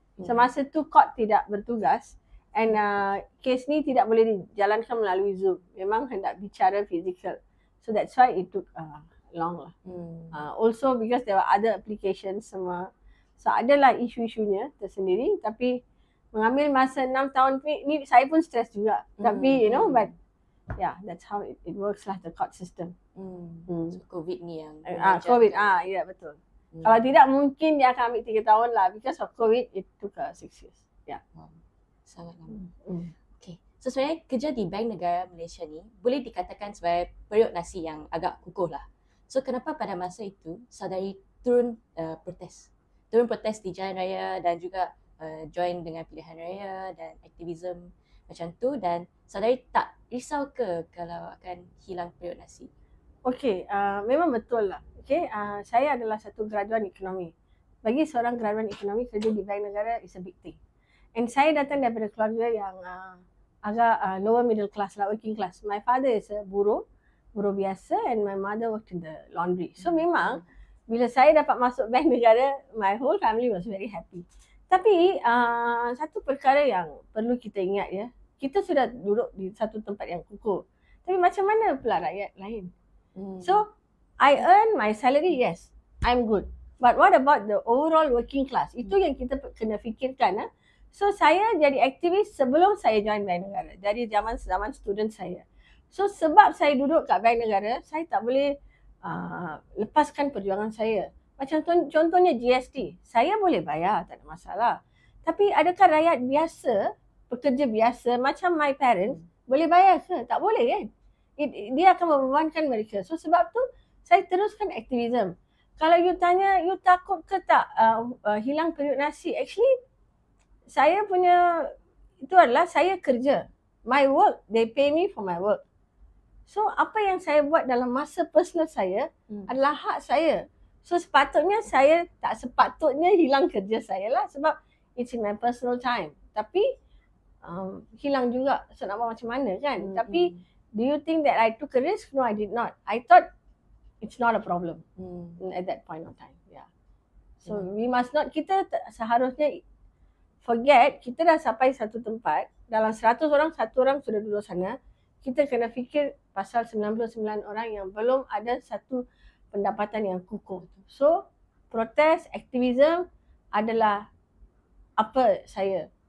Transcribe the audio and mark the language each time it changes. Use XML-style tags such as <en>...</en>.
<ms>Semasa tu court tidak bertugas and case ni tidak boleh dijalankan melalui Zoom. Memang hendak bicara physical.</ms> <en>So that's why it took long lah. Also because there were other applications semua.</en> <ms>So adalah isu-isunya tersendiri, tapi mengambil masa 6 tahun ni saya pun stres juga. Tapi</ms> <en>you know, but yeah, that's how it works lah, the court system.</en> <ms>So COVID ni yang COVID ke? Yeah, betul. Kalau tidak mungkin dia akan ambil 3 tahun lah,</ms> <en>because of COVID it took 6 years.</en> <ms>Yeah. Wow. Sangat lama. Okay. So sebenarnya kerja di Bank Negara Malaysia ni boleh dikatakan sebagai periuk nasi yang agak kukuh lah. So kenapa pada masa itu saudari turun protes? Turun protes di jalan raya dan juga join dengan pilihan raya dan aktivisme macam tu, dan saudari tak risau ke kalau akan hilang periuk nasi? Okay, memang betul lah. Okay, saya adalah satu graduan ekonomi. Bagi seorang graduan ekonomi, kerja di Bank Negara</ms> <en>is a big thing.</en> <ms>And saya datang daripada keluarga yang agak</ms> <en>lower middle class lah, working class. My father is a</en> <ms>buruh biasa</ms> <en>and my mother worked in the laundry.</en> <ms>So memang bila saya dapat masuk Bank Negara,</ms> <en>my whole family was very happy.</en> <ms>Tapi satu perkara yang perlu kita ingat ya, kita sudah duduk di satu tempat yang kukuh. Tapi macam mana pula rakyat lain? So,</ms> <en>I earn my salary, yes, I'm good. But what about the overall working class?</en> <ms>Itu yang kita kena fikirkan. Eh? So, saya jadi aktivis sebelum saya join Bank Negara. Dari zaman student saya. So, sebab saya duduk kat Bank Negara, saya tak boleh lepaskan perjuangan saya. Macam contohnya GST, saya boleh bayar, tak ada masalah. Tapi adakah rakyat biasa, pekerja biasa,</ms> <en>macam my parents,</en> <ms>boleh bayar ke? Tak boleh kan? Dia akan membebankan mereka. So sebab tu saya teruskan aktivisme. Kalau</ms> <en>you tanya, you</en> <ms>takut ke tak hilang periuk nasi? Actually, saya punya, itu adalah saya kerja.</ms> <en>My work, they pay me for my work.</en> <ms>So apa yang saya buat dalam masa personal saya adalah hak saya. So sepatutnya saya tak sepatutnya hilang kerja saya lah sebab</ms> <en>it's in my personal time.</en> <ms>Tapi hilang juga, so nak buat macam mana kan? Tapi</ms> <en>do you think that I took a risk? No, I did not. I thought it's not a problem at that point of time. Yeah. So we must not,</en> <ms>kita seharusnya</ms> <en>forget,</en> <ms>kita dah sampai satu tempat, dalam 100 orang, satu orang sudah duduk sana, kita kena fikir pasal 99 orang yang belum ada satu pendapatan yang kukuh. So, protes, aktivisme adalah apa saya.</ms>